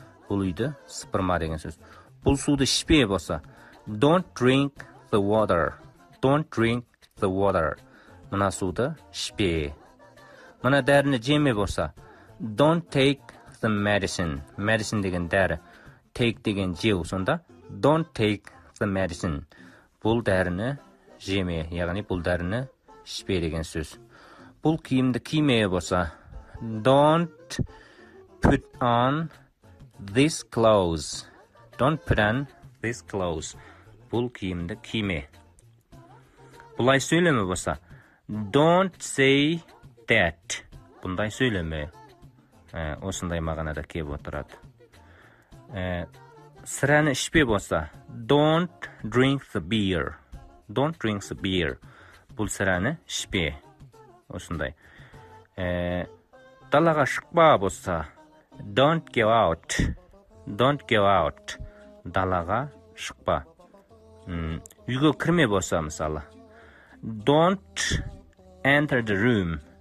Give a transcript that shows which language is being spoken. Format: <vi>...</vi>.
<kk>Бұл үйді сыпырма деген сөз. Бұл суды ішпе болса,</kk> <en>don't drink the water. Don't drink the water.</en> <kk>Мына суды ішпе. Мына дәріні жеме болса,</kk> <en>don't take the medicine.</en> <kk>Medicine деген дәрі.</kk> <en>Take</en> <kk>деген жеу сонда,</kk> <en>don't take the medicine.</en> <kk>Бұл дәріні жеме, яғни бұл дәріні ішпе деген сөз. Бұл киімді киме болса,</kk> <en>don't put on this clothes. Don't put on this clothes.</en> <kk>Бұл киімді киме. Бұлай сөйлеме болса,</kk> <en>don't say that.</en> <kk>Бұндай сөйлеме. Осындай мағанада кеп отырады. Сыраны ішпе болса,</kk> <en>don't drink the beer. Don't drink the beer.</en> <kk>Бұл сыраны ішпе. Осындай. Далаға шықпа болса,</kk> <en>don't go out. Don't go out.</en> <kk>Далаға шықпа. Үйге кірме болса мысалы,</kk> <en>don't enter the room.</en>